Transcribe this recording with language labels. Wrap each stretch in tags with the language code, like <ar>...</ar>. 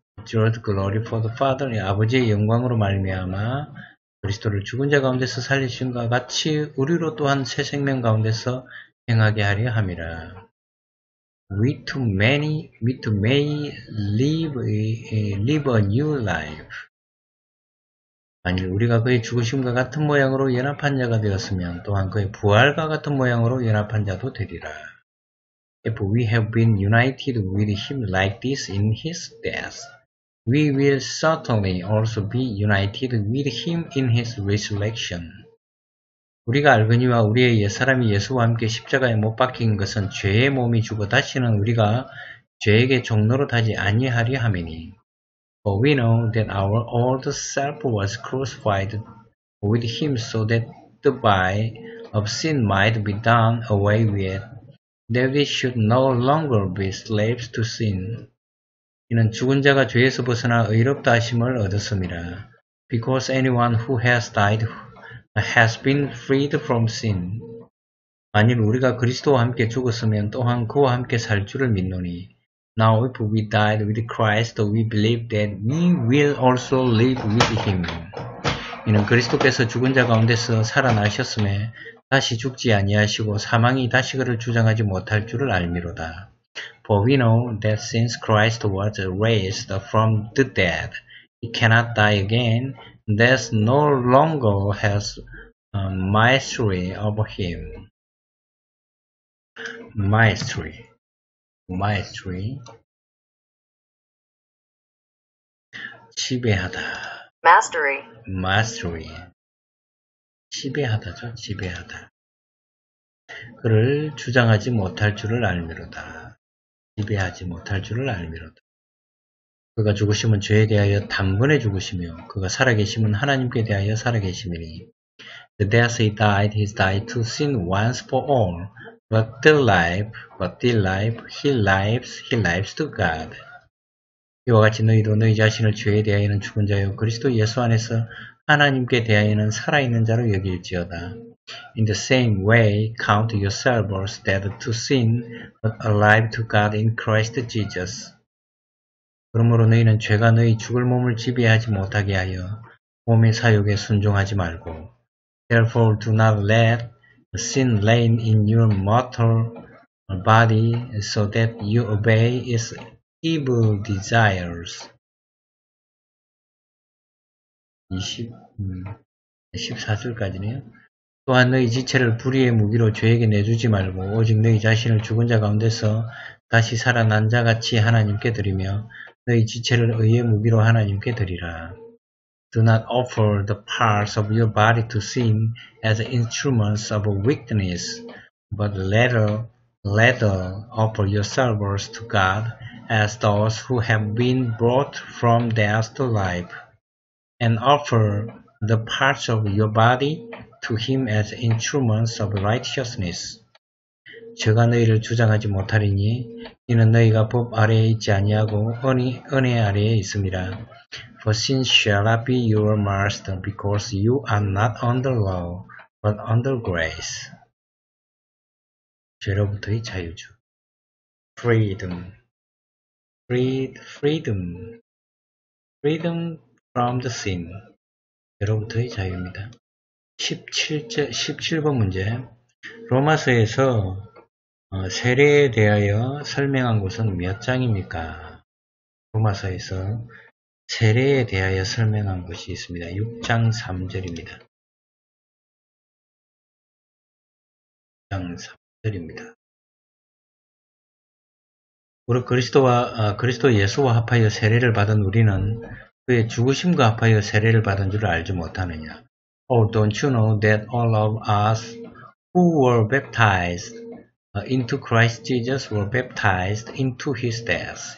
<en>Through glory for the Father,</en> <ko>아버지의 영광으로 말미암아 그리스도를 죽은 자 가운데서 살리신과 같이 우리로 또한 새 생명 가운데서 행하게 하려 함이라.</ko> <en>We too may live a new life.</en> <ko>만일 우리가 그의 죽으심과 같은 모양으로 연합한 자가 되었으면 또한 그의 부활과 같은 모양으로 연합한 자도 되리라.</ko> <en>If we have been united with him like this in his death, we will certainly also be united with him in his resurrection.</en> <ko>우리가 알거니와 우리의 옛사람이 예수와 함께 십자가에 못 박힌 것은 죄의 몸이 죽어 다시는 우리가 죄에게 종노릇하지 아니하려 함이니</ko> <en>For we know that our old self was crucified with him so that the body of sin might be done away with that we should no longer be slaves to sin</en> <ko>이는 죽은 자가 죄에서 벗어나 의롭다 하심을 얻었음이라.</ko> <en>Because anyone who has died has been freed from sin.</en> <ko>만일 우리가 그리스도와 함께 죽었으면 또한 그와 함께 살 줄을 믿노니.</ko> <en>Now if we died with Christ, we believe that we will also live with him.</en> <ko>이는 그리스도께서 죽은 자 가운데서 살아나셨음에 다시 죽지 아니하시고 사망이 다시 그를 주장하지 못할 줄을 알미로다.</ko> <en>For we know that since Christ was raised from the dead, he cannot die again, death no longer has mastery over him. Mastery.</en> <ko>지배하다.</ko> <en>Mastery.</en> <ko>지배하다죠, 지배하다. 그를 주장하지 못할 줄을 알미로다. 지배하지 못할 줄을 알미로다. 그가 죽으시면 죄에 대하여 단번에 죽으시며, 그가 살아계시면 하나님께 대하여 살아계시니.</ko> <en>The death he died, he died to sin once for all. But the life, he lives to God.</en> <ko>이와 같이 너희도 너희 자신을 죄에 대하여는 죽은 자요 그리스도 예수 안에서 하나님께 대하여는 살아있는 자로 여길지어다.</ko> <en>In the same way, count yourselves dead to sin, but alive to God in Christ Jesus.</en> <ko>그러므로 너희는 죄가 너희 죽을 몸을 지배하지 못하게 하여 몸의 사욕에 순종하지 말고.</ko> <en>Therefore, do not let sin reign in your mortal body, so that you obey its evil desires.</en> <ko>14절까지네요. 또한 너희 지체를 불의의 무기로 죄에게 내주지 말고 오직 너희 자신을 죽은 자 가운데서 다시 살아난 자 같이 하나님께 드리며 너희 지체를 의의 무기로 하나님께 드리라.</ko> <en>Do not offer the parts of your body to sin as instruments of weakness, but rather offer yourselves to God as those who have been brought from death to life, and offer the parts of your body to Him as instruments of righteousness.</en> <ko>죄가 너희를 주장하지 못하리니 이는 너희가 법 아래에 있지 아니하고 은혜 아래에 있음이라.</ko> <en>For sin shall not be your master, because you are not under law, but under grace.</en> <ko>죄로부터의 자유죠.</ko> <en>Freedom from the sin.</en> <ko>죄로부터의 자유입니다. 17번 문제. 로마서에서 세례에 대하여 설명한 것은 몇 장입니까? 로마서에서 세례에 대하여 설명한 것이 있습니다. 6장 3절입니다. 우리 그리스도 예수와 합하여 세례를 받은 우리는 그의 죽으심과 합하여 세례를 받은 줄 알지 못하느냐?</ko> <en>Oh, don't you know that all of us who were baptized into Christ Jesus were baptized into his death.</en>